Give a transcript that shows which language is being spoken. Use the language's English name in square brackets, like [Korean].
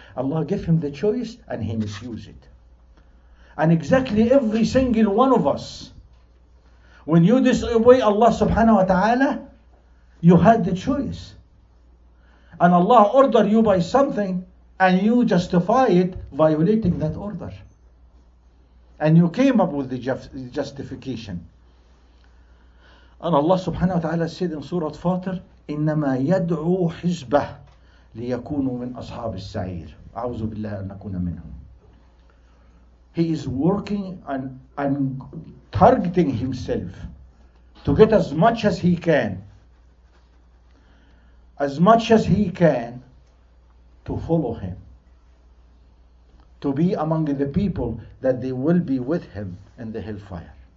[English] Allah gave him the choice and he misused it. And exactly every single one of us, when you disobey Allah subhanahu wa ta'ala, you had the choice. And Allah ordered you by something and you justify it violating that order. And you came up with the justification. And Allah subhanahu wa ta'ala said in Surah Fatir, [Arabic] إنما يدعو حزبه ليكونوا من أصحاب السعير أعوذ بالله أن نكون منهم. [English] He is working and targeting himself to get as much as he can, as much as he can, to follow him. to be among the people that they will be with him in the hellfire.